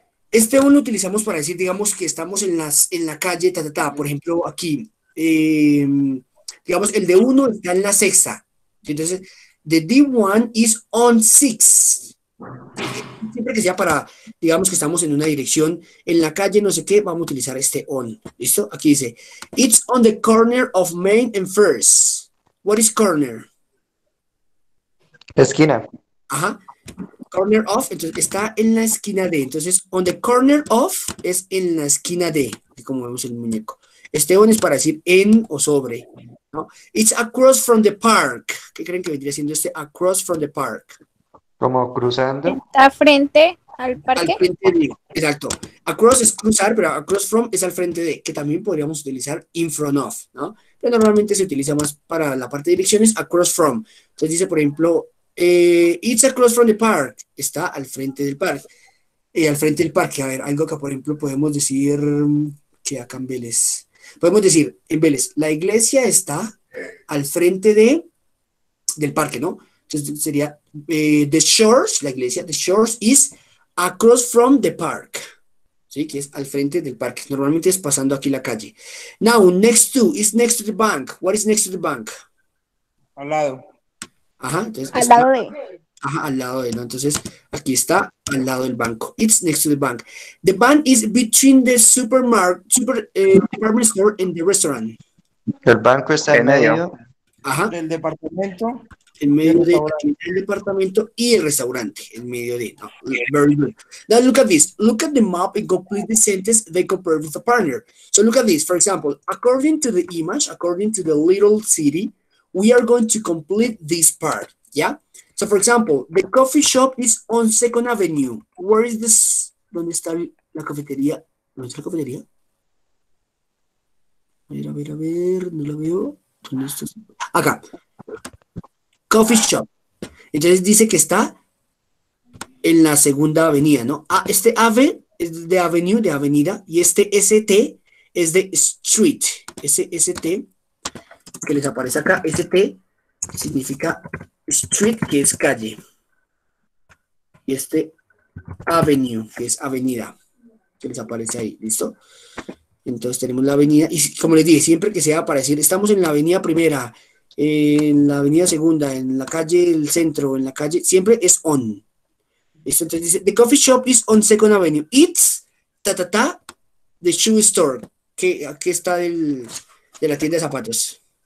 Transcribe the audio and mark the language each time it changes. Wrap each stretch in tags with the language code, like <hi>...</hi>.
<es>Este on lo utilizamos para decir, digamos, que estamos en la calle, ta, ta, ta. Por ejemplo, aquí, digamos, el D1 está en la sexta.</es> <en>Entonces, the D1 is on 6.</en> <es>Siempre que sea para, digamos, que estamos en una dirección, en la calle, no sé qué, vamos a utilizar este on. ¿Listo? Aquí dice,</es> <en>it's on the corner of Main and First. What is corner?</en> <es>Esquina. Ajá. Corner of, entonces está en la esquina de. Entonces,</es> <en>on the corner of</en> <es>es en la esquina de, como vemos el muñeco. Este on es para decir en o sobre, ¿no?</es> <en>It's across from the park.</en> <es>¿Qué creen que vendría siendo este</es> <en>across from the park?</en> <es>Como cruzando. Está frente al parque. Al frente de, exacto. Across es cruzar, pero across from es al frente de, que también podríamos utilizar</es> <en>in front of,</en> <es>¿no? Pero normalmente se utiliza más para la parte de direcciones,</es> <en>across from.</en> <es>Entonces dice, por ejemplo,</es> <en>it's across from the park.</en> <es>Está al frente del parque. Al frente del parque. A ver, algo que, por ejemplo, podemos decir que acá en Vélez. Podemos decir, en Vélez, la iglesia está al frente de del parque, ¿no? Entonces sería,</es> <en>the church,</en> <es>la iglesia,</es> <en>the church is across from the park.</en> <es>¿Sí? Que es al frente del parque. Normalmente es pasando aquí la calle.</es> <en>Now, next to, is next to the bank. What is next to the bank?</en> <es>Al lado. Ajá, entonces. Al está, lado de. Ajá, al lado de, ¿no? Entonces, aquí está, al lado del banco.</es> <en>It's next to the bank. The bank is between the supermarket, department store and the restaurant.</en> <es>El banco está en medio. Ajá. Del departamento. En medio de el departamento y el restaurante. En medio de. No,</es> <en>very good. Now look at this. Look at the map and complete the sentence they compare with a partner. So look at this. For example, according to the image, according to the little city, we are going to complete this part. Yeah? So for example, the coffee shop is on Second Avenue. Where is this?</en> <es>¿Dónde está la cafetería? ¿Dónde está la cafetería? A ver, a ver, a ver. No la veo. ¿Dónde está? Acá.</es> <en>Coffee shop.</en> <es>Entonces dice que está en la segunda avenida, ¿no? Ah, este AVE es de avenue, de avenida, y este ST es de street. SST, que les aparece acá, ST significa street, que es calle. Y este avenue, que es avenida, que les aparece ahí, ¿listo? Entonces tenemos la avenida, y como les dije, siempre que sea para decir, estamos en la avenida primera, en la avenida segunda, en la calle del centro, en la calle, siempre es on. ¿Listo? Entonces dice,</es> <en>the coffee shop is on Second Avenue. It's, ta, ta, ta, the shoe store.</en> <es>Que aquí está el, de la tienda de zapatos.</es>